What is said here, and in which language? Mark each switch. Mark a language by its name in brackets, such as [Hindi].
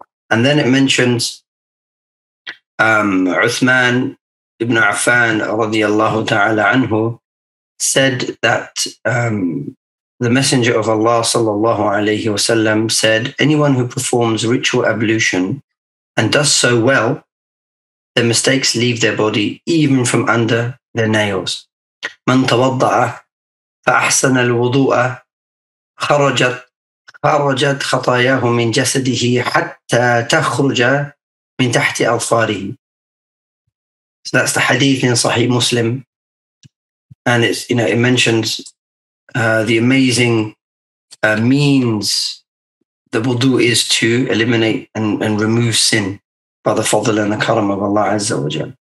[English] And then it mentions Uthman ibn Affan radiallahu ta'ala anhu said that the Messenger of Allah sallallahu alayhi wasallam said, anyone who performs ritual ablution and does so well, the mistakes leave their body even from under their nails. [Arabic] من توضع فأحسن الوضوء خرجت خطاياه من جسده حتى تخرج من تحت أظفاره. [English] So that's the hadith in Sahih Muslim, and it's, you know, it mentions the amazing means the wudu is to eliminate and remove sin by the fadl and the karam of Allah Azza wa Jal.